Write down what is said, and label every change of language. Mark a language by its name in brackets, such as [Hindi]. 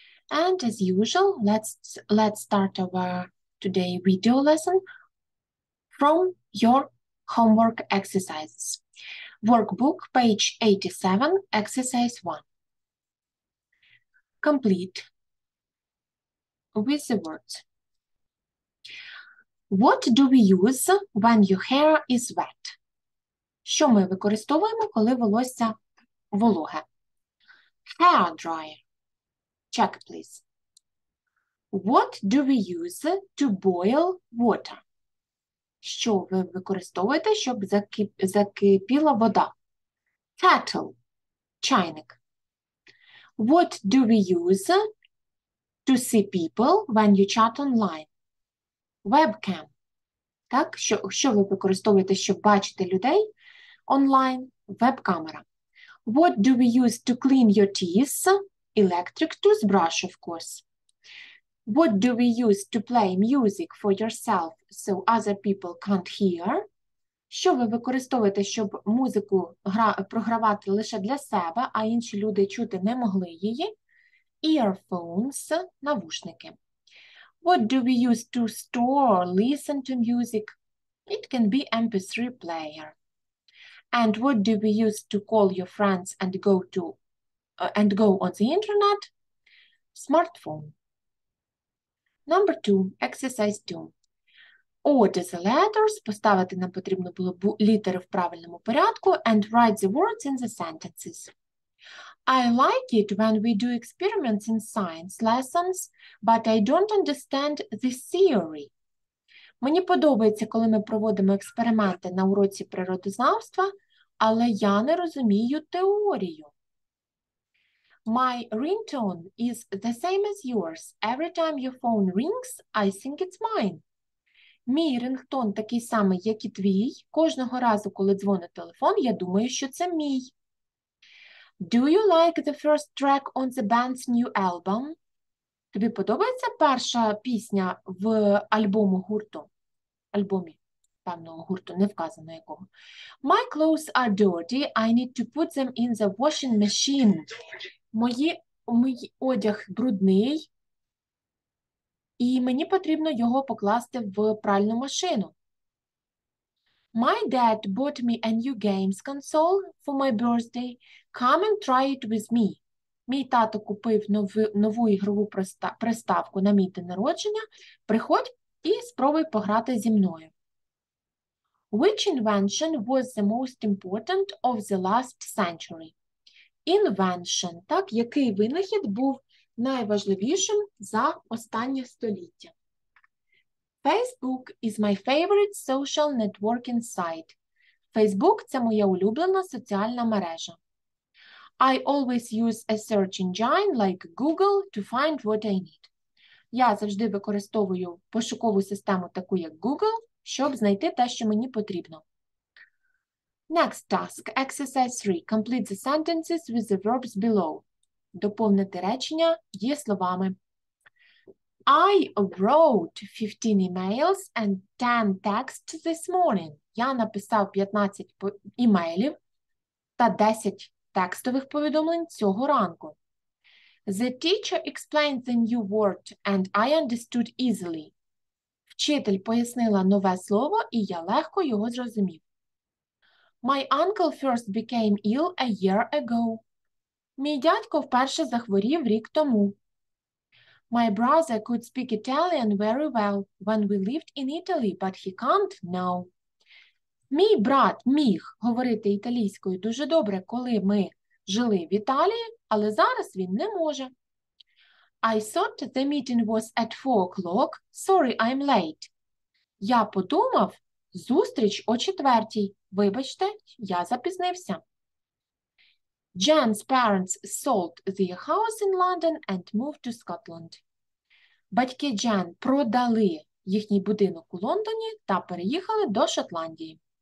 [English] And as usual, let's start our today video lesson from your homework exercises. Workbook, page 87, exercise 1. Complete with the words. What do we use when your hair is wet? [Ukrainian] Що ми використовуємо, коли волосся вологе? [English] Hair dryer. Check, please. What do we use to boil water? [Ukrainian] Що ви використовуєте, щоб закипіла вода? [English] Kettle. Чайник. What do we use to see people when you chat online? Webcam. [Ukrainian] Так, що ви використовуєте, щоб бачити людей онлайн? Веб-камера. [English] What do we use to clean your teeth? Electric toothbrush, of course. What do we use to play music for yourself so other people can't hear? [Ukrainian] Що ви використовуєте, щоб музику програвати лише для себе, а інші люди чути не могли її? [English] Earphones, навушники. What do we use to store or listen to music? It can be MP3 player. And what do we use to call your friends and go on the internet? Smartphone. Number 2, exercise 2. Order the letters. [Ukrainian] Поставити нам потрібно було літери в правильному порядку. [English] And write the words in the sentences. I like it when we do experiments in science lessons, but I don't understand the theory. [Ukrainian] Мені подобається, коли ми проводимо експерименти на уроці природознавства, але я не розумію теорію. [English] My ringtone is the same as yours. Every time your phone rings, I think it's mine. [Ukrainian] Мій рингтон такий самий, як і твій. Кожного разу, коли дзвонить телефон, я думаю, що це мій. [English] Do you like the first track on the band's new album? [Ukrainian] Тобі подобається перша пісня в альбому гурту? Альбомі певного гурту, не вказано якого. [English] My clothes are dirty, I need to put them in the washing machine. [Ukrainian] Мій одяг брудний, і мені потрібно його покласти в пральну машину. [English] My dad bought me a new games console for my birthday. Come and try it with me. [Ukrainian] Мій тато купив нову ігрову приставку на мій день народження. Приходь і спробуй пограти зі мною. [English] Which invention was the most important of the last century? [Ukrainian] Invention, так, який винахід був найважливішим за останнє століття? [English] Facebook is my favorite social networking site. Facebook – [Ukrainian] це моя улюблена соціальна мережа. [English] I always use a search engine like Google to find what I need. [Ukrainian] Я завжди використовую пошукову систему таку як Google, щоб знайти те, що мені потрібно. [English] Next task, exercise 3. Complete the sentences with the verbs below. [Ukrainian] Доповнити речення дієсловами. [English] I wrote 15 emails and 10 texts this morning. [Ukrainian] Я написав 15 емейлів та 10 текстових повідомлень цього ранку. [English] The teacher explained the new word and I understood easily. [Ukrainian] Вчитель пояснила нове слово, і я легко його зрозумів. [English] My uncle first became ill a year ago. [Ukrainian] Мій дядько вперше захворів рік тому. [English] My brother could speak Italian very well when we lived in Italy, but he can't now. [Ukrainian] Мій брат міг говорити італійською дуже добре, коли ми жили в Італії, але зараз він не може. [English] I thought the meeting was at 4 o'clock. Sorry, I'm late. [Ukrainian] Я подумав, зустріч о 4-й. Вибачте, я запізнився. [English] Jen's parents sold their house in London and moved to Scotland. [Ukrainian] Батьки Джен продали їхній будинок у Лондоні та переїхали до Шотландії.